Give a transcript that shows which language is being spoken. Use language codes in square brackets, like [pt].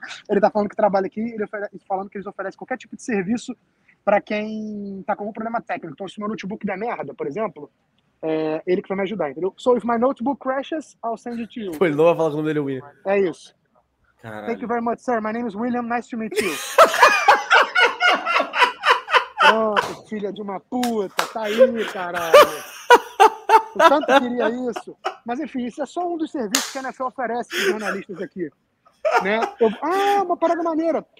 [pt] Ele tá falando que trabalha aqui, falando que eles oferecem qualquer tipo de serviço pra quem tá com algum problema técnico. Então, se o meu notebook der merda, por exemplo, é ele que vai me ajudar, entendeu? [en] So, if my notebook crashes, I'll send it to you. [pt] Foi louco falar com o nome dele, William. É isso. Caralho. [en] Thank you very much, sir. My name is William. Nice to meet you. [pt] Nossa, filha de uma puta, tá aí, caralho. Eu tanto queria isso. Mas enfim, isso é só um dos serviços que a NFL oferece para os jornalistas aqui. Né? Uma parada maneira.